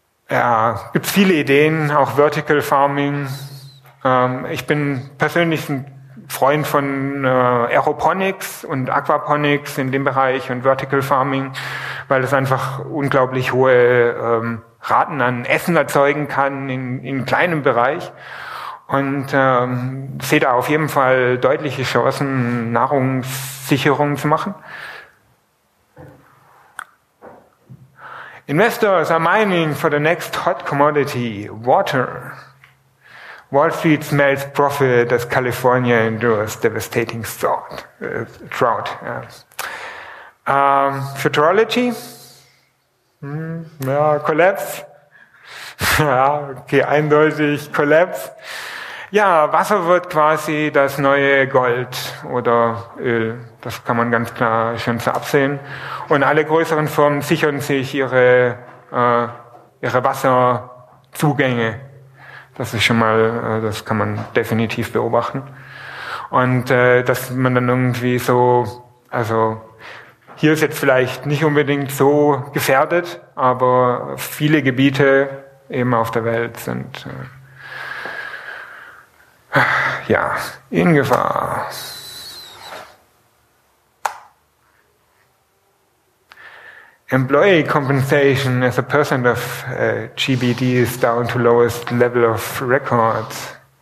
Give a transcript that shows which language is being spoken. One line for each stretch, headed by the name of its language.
German: Ja, gibt viele Ideen, auch Vertical Farming. Ich bin persönlich ein Freund von Aeroponics und Aquaponics in dem Bereich und Vertical Farming, weil es einfach unglaublich hohe Raten an Essen erzeugen kann in kleinem Bereich. Und sehe da auf jeden Fall deutliche Chancen, Nahrungssicherung zu machen.
English: Investors are mining for the next hot commodity, water. Wall Street smells profit as California endures devastating drought.
German: Futurology? Ja, Collapse? Ja, okay, eindeutig Collapse. Ja, Wasser wird quasi das neue Gold oder Öl. Das kann man ganz klar schon so absehen. Und alle größeren Firmen sichern sich ihre Wasserzugänge. Das ist schon mal, das kann man definitiv beobachten. Und dass man dann irgendwie so, also hier ist jetzt vielleicht nicht unbedingt so gefährdet, aber viele Gebiete eben auf der Welt sind ja, in Gefahr.
English: Employee compensation as a percent of GBD is down to lowest level of records.